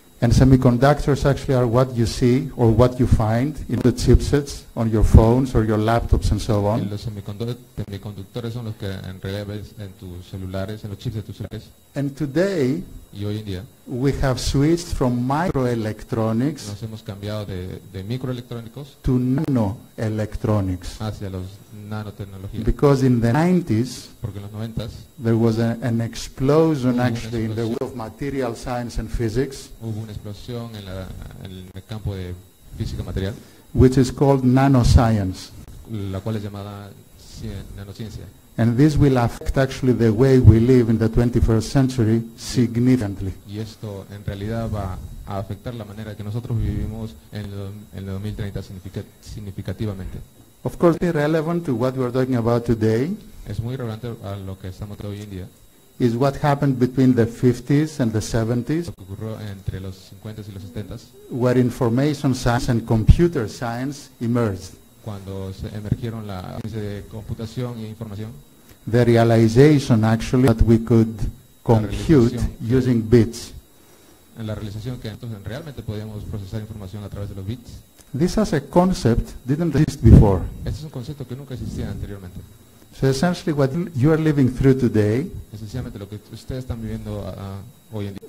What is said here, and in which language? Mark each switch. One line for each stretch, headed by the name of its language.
English: and semiconductors actually are what you see or what you find in the chipsets on your phones or your laptops and so on.
Spanish: Los semiconductores son los que en realidad ves en tus celulares, en los chips de tus celulares.
English: And today,
Spanish: y hoy en día,
English: we have switched from microelectronics,
Spanish: nos hemos cambiado de microelectrónicos,
English: to nanoelectronics,
Spanish: hacia los nanotecnologías.
English: Because in the 90s,
Spanish: porque en los 90s,
English: there was an explosion actually in the world of material science and physics,
Spanish: hubo una explosión en el campo de física material,
English: which is called nanoscience,
Spanish: la cual es llamada nanociencia.
English: And this will affect actually the way we live in the 21st century significantly.
Spanish: Y esto en realidad va a afectar la manera que nosotros vivimos en el 2030 significativamente.
English: Of course, it's relevant to what we are talking about today.
Spanish: Es muy relevante a lo que estamos hoy en día.
English: Is what happened between the 50s and the 70s.
Spanish: Lo que ocurrió entre los 50s y los 70s.
English: Where information science and computer science emerged.
Spanish: Cuando se emergieron la ciencia de computación e información,
English: the realization actually that we could compute using bits,
Spanish: la realización que entonces realmente podíamos procesar información a través de los bits,
English: this as a concept didn't exist before.
Spanish: Este es un concepto que nunca existía anteriormente.
English: So essentially what you are living through today,
Spanish: esencialmente lo que ustedes están viviendo hoy en día,